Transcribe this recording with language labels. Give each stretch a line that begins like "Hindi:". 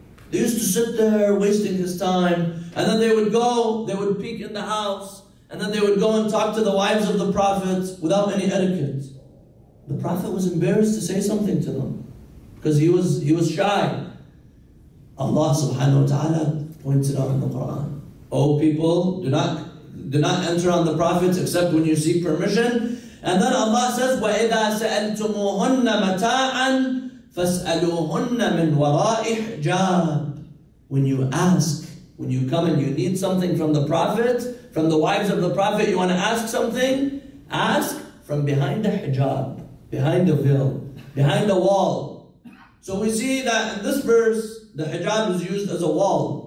English: They used to sit there wasting his time, and then they would peek in the house, and then they would go and talk to the wives of the Prophet without any etiquette. The Prophet was embarrassed to say something to them, because he was shy. Allah subhanahu wa ta'ala points it out in the Quran. Oh people, do not enter on the Prophet except when you seek permission. And then Allah says,
Arabic: وَإِذَا سَأَلْتُمُوهُنَّ مَتَاعًا فَاسْأَلُوهُنَّ مِنْ وَرَاءِ حِجَابٍ.
English: When you ask, when you come and you need something from the Prophet, from the wives of the Prophet, you want to ask something, ask from behind the hijab, behind the veil, behind the wall. So we see that in this verse, the hijab is used as a wall.